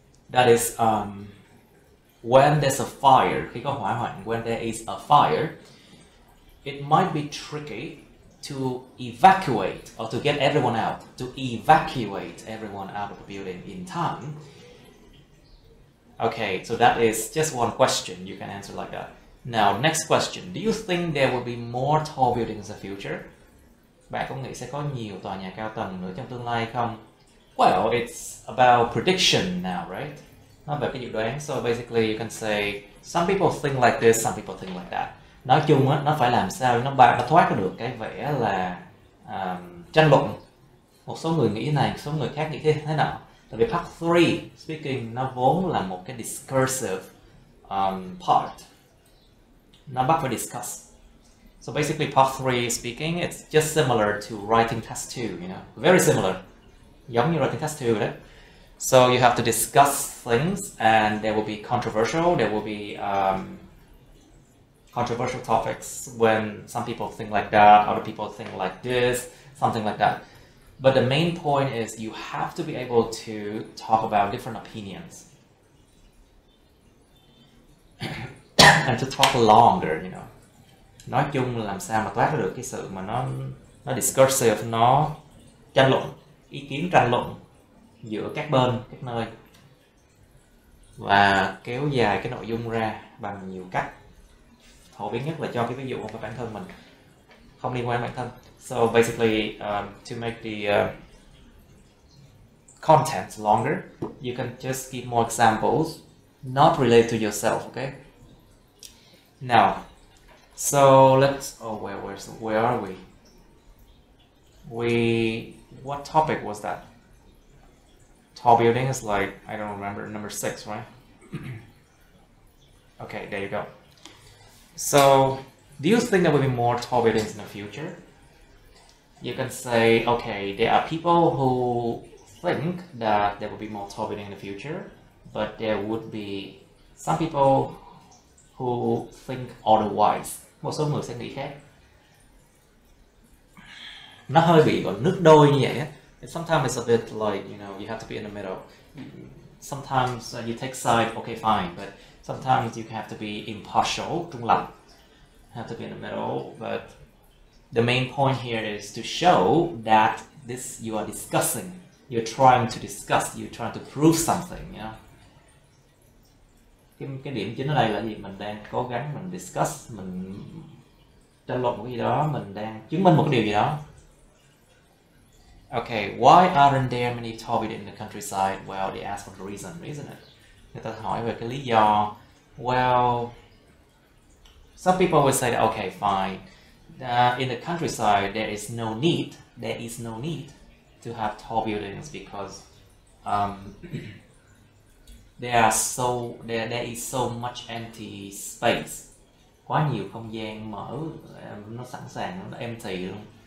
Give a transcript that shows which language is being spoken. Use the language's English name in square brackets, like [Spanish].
[English] That is, when there's a fire, [Vietnamese] khi có hỏa hoạn, [English] when there is a fire, it might be tricky to evacuate or to get everyone out, to evacuate everyone out of the building in time. Okay, so that is just one question you can answer like that. Now, next question. Do you think there will be more tall buildings in the future? [Vietnamese] Bạn có nghĩ sẽ có nhiều tòa nhà cao tầng nữa trong tương lai không? [English] Well, it's about prediction now, right? [Vietnamese] Nói về cái dự đoán. [English] So basically, you can say some people think like this, some people think like that. [Vietnamese] Nói chung á, nó phải làm sao nó thoát được cái vẻ là tranh luận. Một số người nghĩ này, một số người khác nghĩ thế nào? Tại vì part 3, speaking, nó vốn là một cái discursive part. Nó bắt phải discuss. [English] So basically part 3, speaking, it's just similar to writing test 2, you know. Very similar. [Vietnamese] Giống như writing test 2 đấy. [English] So you have to discuss things and they will be controversial, there will be controversial topics when some people think like that, other people think like this, something like that. But the main point is you have to be able to talk about different opinions and to talk longer, you know. [Vietnamese] Nói chung là làm sao mà toát được cái sự mà nó discursive, nó tranh luận, ý kiến tranh luận giữa các bên, các nơi và kéo dài cái nội dung ra bằng nhiều cách. Phổ biến nhất là cho cái ví dụ của bản thân mình, không liên quan bản thân. [English] So basically, to make the content longer, you can just give more examples, not related to yourself, okay? Now, so let's, oh, where are we? What topic was that? Tall building is like, I don't remember, number 6, right? Okay, there you go. So, do you think there will be more tall buildings in the future? You can say, okay, there are people who think that there will be more tall buildings in the future, but there would be some people who think otherwise. [Vietnamese] Một số người sẽ nghĩ khác. Nó hơi bị gọi nước đôi như vậy á. [English] Sometimes it's a bit like, you know, you have to be in the middle. Sometimes you take side, okay, fine, but sometimes you have to be impartial, [Vietnamese] trung lập. [English] Have to be in the middle, but the main point here is to show that this you are discussing, you're trying to discuss, you're trying to prove something, you know. [Vietnamese] Cái điểm chính ở đây là gì? Mình đang cố gắng, mình discuss, mình tranh luận một cái gì đó, mình đang chứng minh một cái điều gì đó. [English] Okay, why aren't there many tall buildings in the countryside? Well, they ask for the reason, isn't it? [Vietnamese] Người ta hỏi về cái lý do. [English] Well, some people will say, okay, fine. In the countryside, there is no need. There is no need to have tall buildings because there is so much empty space. [Vietnamese] Quá nhiều không gian mở, nó sẵn sàng, nó empty luôn.